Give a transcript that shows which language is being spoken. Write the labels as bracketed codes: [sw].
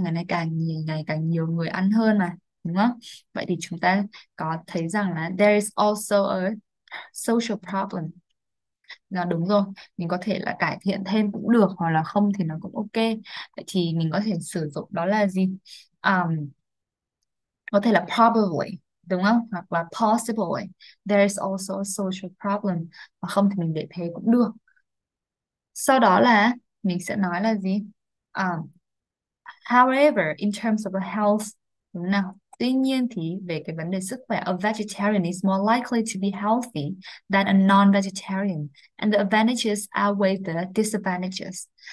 [vi] Ngày càng nhiều người ăn hơn mà, đúng không? Vậy thì chúng ta có thấy rằng là [en] there is also a social problem. [vi] Nó đúng rồi, mình có thể là cải thiện thêm cũng được, hoặc là không thì nó cũng ok. Vậy thì mình có thể sử dụng đó là gì? Có thể là probably, đúng không? Hoặc là [en] possibly, there is also a social problem. [vi] Mà không thì mình để thế cũng được. Sau đó là mình sẽ nói là gì? [en] However, in terms of health, [vi] đúng không nào? Tuy nhiên thì về cái vấn đề sức khỏe, [en] a vegetarian is more likely to be healthy than a non-vegetarian, and the advantages outweigh the disadvantages.